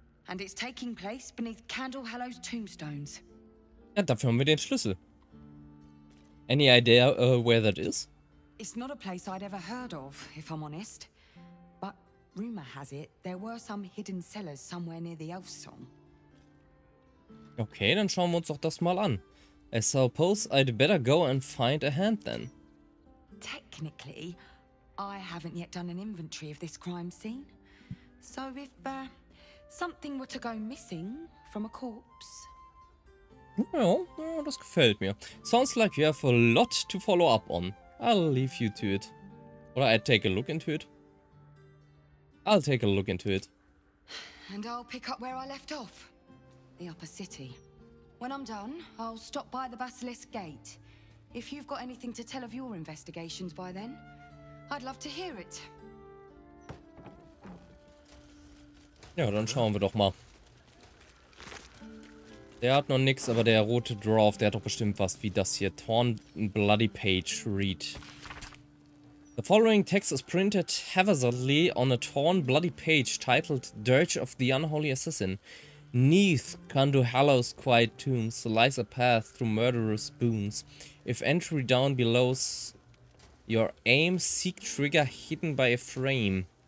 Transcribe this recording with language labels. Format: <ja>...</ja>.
<en>And it's taking place beneath Candle Hallow's tombstones.</en> <de>Ja, dafür haben wir den Schlüssel.</de> <en>Any idea where that is? It's not a place I'd ever heard of, if I'm honest. But rumor has it, there were some hidden cellars somewhere near the Elf Song.</en> <de>Okay, dann schauen wir uns doch das mal an.</de> <en>I suppose I'd better go and find a hand then. Technically, I haven't yet done an inventory of this crime scene. So if something were to go missing from a corpse.</en> <de>Ja, ja, das gefällt mir.</de> <en>Sounds like you have a lot to follow up on. I'll leave you to it. Oder I'd take a look into it. I'll take a look into it. And I'll pick up where I left off. The upper city. When I'm done, I'll stop by the Basilisk Gate. If you've got anything to tell of your investigations by then, I'd love to hear it.</en> <de>Ja, dann schauen wir doch mal. Der hat noch nichts, aber der rote Dwarf, der hat doch bestimmt was wie das hier.</de> <en>Torn Bloody Page Read. The following text is printed haphazardly on a torn bloody page titled Dirge of the Unholy Assassin. Neath Kandu Hallow's quiet tombs lies a path through murderous boons. If entry down below's your aim, seek trigger hidden by a frame.</en>